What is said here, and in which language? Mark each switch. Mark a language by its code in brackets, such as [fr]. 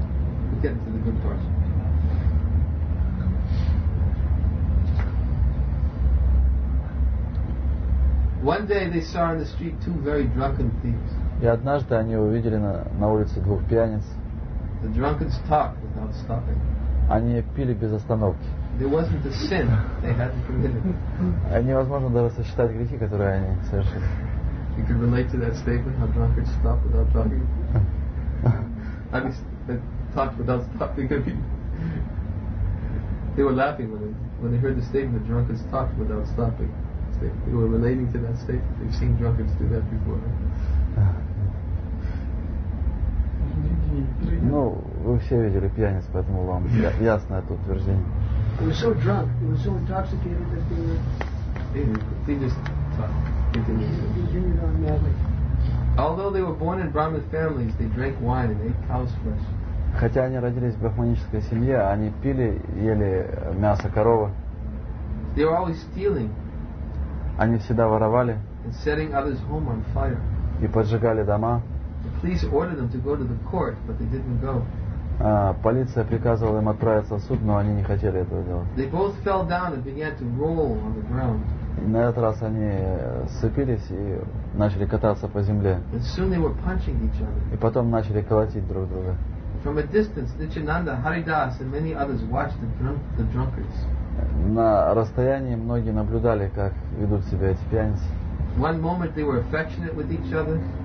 [en] The English statement was a cup of the Russian statement. So, we'll read just a little bit more. We'll get into the good parts. Okay. One day they saw in the street two very drunken thieves. [ru] И однажды они увидели на улице двух пьяниц. [en] The drunkards talked without stopping. [ru] Они пили без остановки. [en] There wasn't a sin they hadn't committed. [ru] Они, возможно, даже сосчитать грехи, которые они совершили. [en] You can relate to that statement, how drunkards talk without talking. I mean, they talked without stopping. I mean, they were laughing when they heard the statement, that drunkards talked without stopping. They were relating to that statement. They've seen drunkards do that before. [ru] Ну, вы все видели пьяниц, поэтому вам ясно это утверждение. [en] They were so drunk, they were so intoxicated that they just continued on madly. Although they were born in Brahmin families, they drank wine and ate cow's flesh. [ru] Хотя они родились в брахманической семье, они пили, ели мясо коровы. [en] They were always stealing. [ru] Они всегда воровали. [en] And setting others' home on fire. [ru] И поджигали дома. [en] The police ordered them to go to the court, but they didn't go. [ru] Полиция приказывала им отправиться в суд, но они не хотели этого делать. [en] They both fell down and began to roll on the ground. [ru] И на этот раз они сцепились и начали кататься по земле. [en] And soon they were punching each other. [ru] И потом начали колотить друг друга. [en] From a distance, Nityananda, Haridas, and many others watched the drunkards. [ru] На расстоянии многие наблюдали, как ведут себя эти пьяницы. [en] One moment they were affectionate with each other.